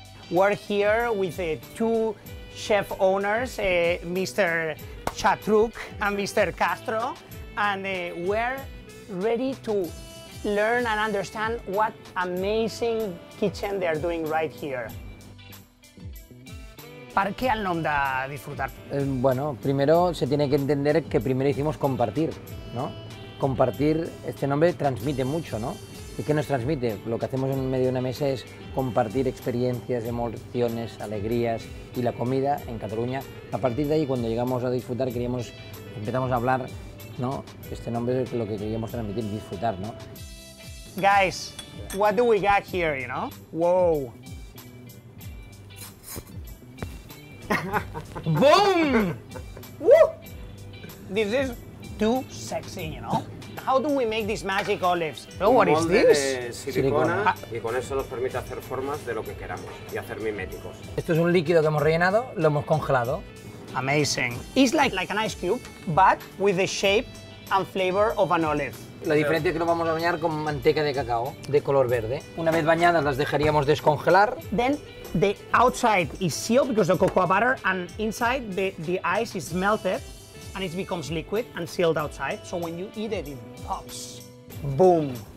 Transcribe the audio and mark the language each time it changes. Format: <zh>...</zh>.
<en>We're here with two chef owners, Mr. Chatruk and Mr. Castro, and we're ready to learn and understand what amazing kitchen they are doing right here.</en> <es>¿Para qué el nombre de Disfrutar? Bueno, primero se tiene que entender que primero hicimos compartir, ¿no? Compartir, este nombre transmite mucho, ¿no? ¿Y qué nos transmite? Lo que hacemos en medio de una mesa es compartir experiencias, emociones, alegrías y la comida en Cataluña. A partir de ahí, cuando llegamos a Disfrutar, queríamos, empezamos a hablar, ¿no? Este nombre es lo que queríamos transmitir, Disfrutar, ¿no?</es> <en>Guys, what do we got here, you know? Wow. Boom! Woo! This is too sexy, you know? How do we make these magic olives? Oh, what is this?</en> <es>Silicona. Y con eso nos permite hacer formas de lo que queramos y hacer miméticos. Esto es un líquido que hemos rellenado, lo hemos congelado.</es> <en>Amazing. It's like an ice cube, but with the shape and flavor of an olive.</en> <es>La diferencia es que lo vamos a bañar con manteca de cacao de color verde. Una vez bañadas, las dejaríamos descongelar.</es> <en>Then the outside is sealed because of cocoa butter, and inside the ice is melted and it becomes liquid and sealed outside. So when you eat it, it pops. Boom.</en>